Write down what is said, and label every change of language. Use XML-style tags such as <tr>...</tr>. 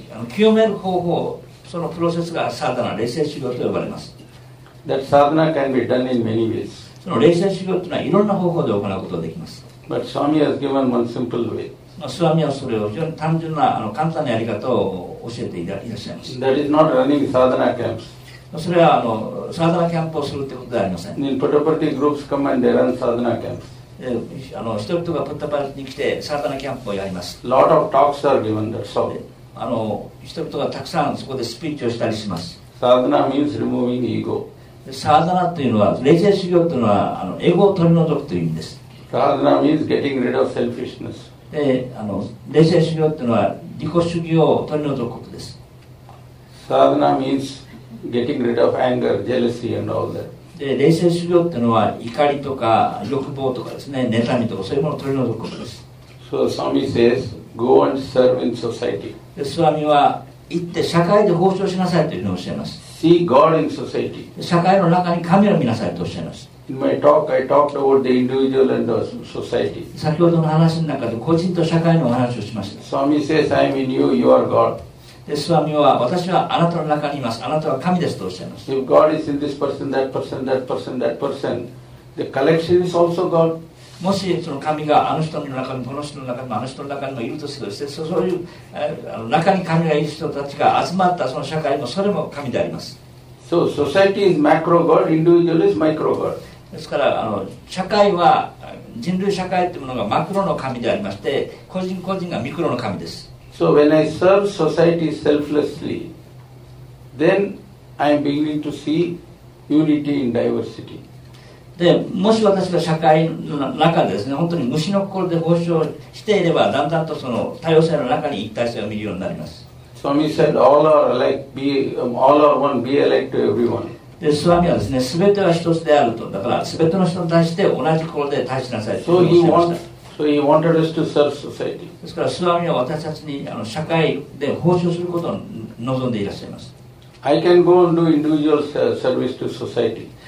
<ja>清める方法、そのプロセスがサダナ、霊性修行と呼ばれます。</ja> <en>That sadhana can be done in many ways.</en> <ja>その霊性修行というのはいろんな方法で行うことができます。</ja> <en>But Swami has given one simple way.</en> <ja>スワミはそれを非常に単純な簡単なやり方を教えていらっしゃいます。</ja> <en>That is not running sadhana camps.</en> <ja>それはサダナキャンプをするということではありません。</ja> <en>In Puttaparthi groups come and they run sadhana camps.</en> <ja>人々がプッタパルに来てサーダナキャンプをやります。</ja> <en>Lot of talks are given there, so.</en> <ja>人々がたくさんそこでスピーチをしたりします。</ja> <en>サーダナ means removing ego.</en> <ja>サーダナというのは、霊性修行というのは、エゴを取り除くという意味です。</ja> <en>サーダナ means getting rid of selfishness.</en> <ja>で、霊性修行というのは、自己主義を取り除くことです。</ja> <en>サーダナ means getting rid of anger, jealousy and all that.</en> <ja>で霊性修行というのは怒りとか欲望とかですね、妬みとかそういうものを取り除くことです。</ja> <en>So Swami says, go and serve in society.</en> <ja>で、スワミは行って社会で奉仕しなさいというのを教えます。</ja> <en>See God in society.</en> <ja>社会の中に神を見なさいとおっしゃいます。</ja> <en>In my talk, I talked about the individual and the society.</en> <ja>先ほどの話の中で個人と社会の話をしました。</ja> <en>Swami says, I'm in you, you are God.</en> <ja>でスワミは私はあなたの中にいます。あなたは神ですとおっしゃいます。</ja> <en>If God is in this person, that person, that person, that person, the collection is also God.</en> <ja>もしその神が人の中にこの人の中にもあの人の中にもいるとするとして、そういう中に神がいる人たちが集まったその社会もそれも神であります。</ja> <en>So society is macro God, individual is micro God.</en> <ja>ですから社会は人類社会というものがマクロの神でありまして、個人個人がミクロの神です。</ja> <en>So when I serve society selflessly, then I am beginning to see unity in diversity.</en> <ja>で、もし私が社会の中でですね、本当に虫の心で奉仕をしていれば、だんだんとその多様性の中に一体性を見るようになります。</ja> <en>Swami said, all are alike, all are one, be alike to everyone.</en> <ja>で、スワミはですね、すべては一つであると、だからすべての人に対して同じ心で対しなさいと言いました。</ja> <en>So he wanted us to serve society.</en> <ja>ですからスワミは私たちに社会で奉仕することを望んでいらっしゃいます。</ja> <en>I can go and do individual service to society.</en>